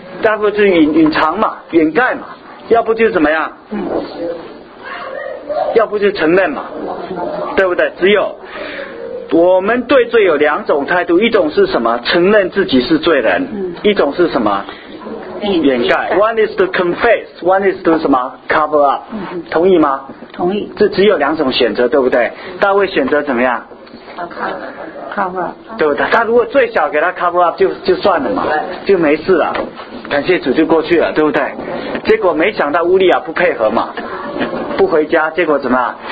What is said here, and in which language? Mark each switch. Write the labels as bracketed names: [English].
[Chinese] 要不就是 隐藏嘛，掩盖嘛，要不就是怎么样？要不就是承认嘛，对不对？只有我们对罪有两种态度，一种是什么？承认自己是罪人，一种是什么？掩盖。 [English] One is to confess， One is to [Chinese] 什么 [English] cover up。 [Chinese] 同意吗？同意。这只有两种选择，对不对？大卫选择怎么样？ [English] cover up， [Chinese] 对不对？他如果最小给他 cover up 就算了嘛，就没事了，感谢主就过去了，对不对？结果没想到乌利亚不配合嘛，不回家，结果怎么样？